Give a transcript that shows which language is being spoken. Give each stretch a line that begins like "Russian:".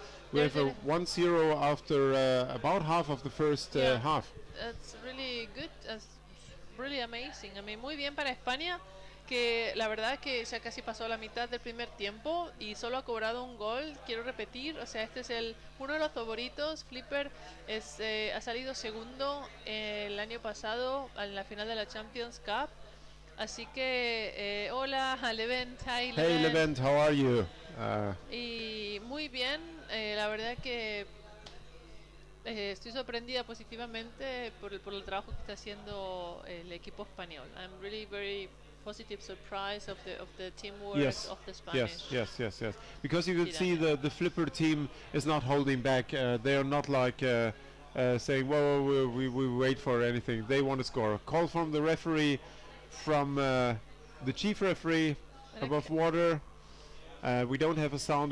English: we have a 1-0 after about half of the first half. That's really good. That's really amazing. I mean,
Spanish: muy bien para España, que la verdad que ya casi pasó la mitad del primer tiempo y solo ha cobrado un gol. Quiero repetir, o sea, este es uno de los favoritos. Flipper es, ha salido segundo el año pasado en la final de la Champions Cup. Así que, hola, Levent.
English: Hi, Levent. Hey, Levent, how are you?
Spanish: Y muy bien, la verdad que estoy sorprendida positivamente por el trabajo que está haciendo el equipo español.
English: I'm really very positive surprise of the teamwork, yes, of the Spanish. Yes. Because you can see the Flipper team is not holding back. They are not like saying, "Whoa, we wait for anything." They want to score. Call from the referee, from the chief referee, okay, above water. We don't have a sound.